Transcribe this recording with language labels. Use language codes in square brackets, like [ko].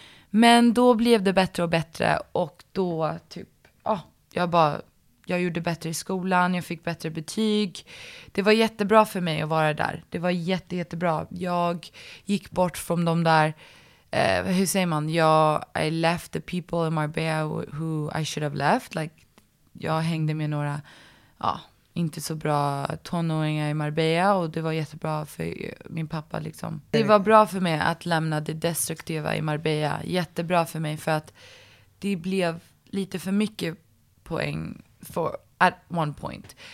[sv] Men då blev det bättre och bättre och då typ, ja, jag gjorde bättre i skolan, jag fick bättre betyg. Det var jättebra för mig att vara där. Det var jättebra. Jag gick bort från de där, hur säger man? [en] I left the people in Marbella who I should have left. [sv] Like, jag hängde med några inte så bra tonåringar i Marbella och det var jättebra för min pappa liksom. Det var bra för mig att lämna det destruktiva i Marbella. Jättebra för mig för att det blev lite för mycket poäng. [en] At one point.